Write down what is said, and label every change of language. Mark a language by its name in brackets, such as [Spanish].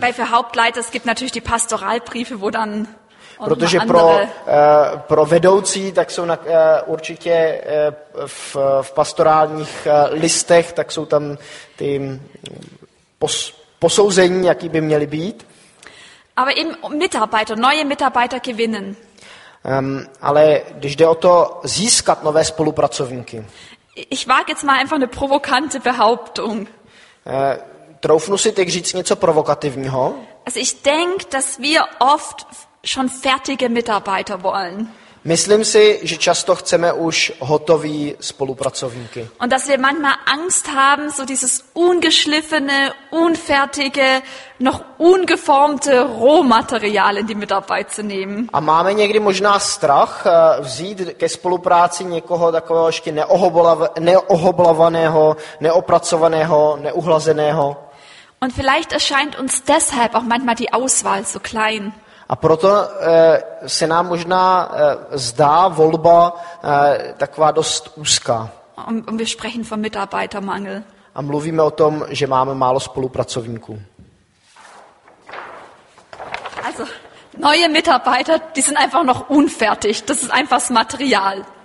[German] Weil für Hauptleiter, es gibt natürlich die Pastoralbriefe, wo dann... [Czech] Protože pro vedoucí, tak jsou určitě v pastorálních listech, tak jsou tam ty posouzení, jaký by měly být. [German] Aber eben Mitarbeiter, neue Mitarbeiter gewinnen. [Czech] Ale když jde o to získat nové spolupracovníky. [German] Ich wage jetzt mal einfach eine provokante Behauptung. [Czech] Troufnu si teď říct něco provokativního. [German] Also ich denke, dass wir oft schon fertige Mitarbeiter wollen. [Czech] Myslím si, že často chceme už hotový spolupracovníky. [German] Und dass wir manchmal Angst haben, so dieses ungeschliffene, unfertige, noch ungeformte Rohmaterial in die Mitarbeit zu nehmen. [Czech] A máme někdy možná strach vzít ke spolupráci někoho takového ještě neohoblavaného, neopracovaného, neuhlazeného. [German] Und vielleicht erscheint uns deshalb auch manchmal die Auswahl so klein. [Czech] A proto se nám možná zdá volba taková dost úzká. [German] Und wir sprechen vom Mitarbeitermangel. [Czech] A mluvíme o tom, že máme málo spolupracovníků. [German] Also, neue Mitarbeiter, die sind einfach noch unfertig. Das ist einfach das Material.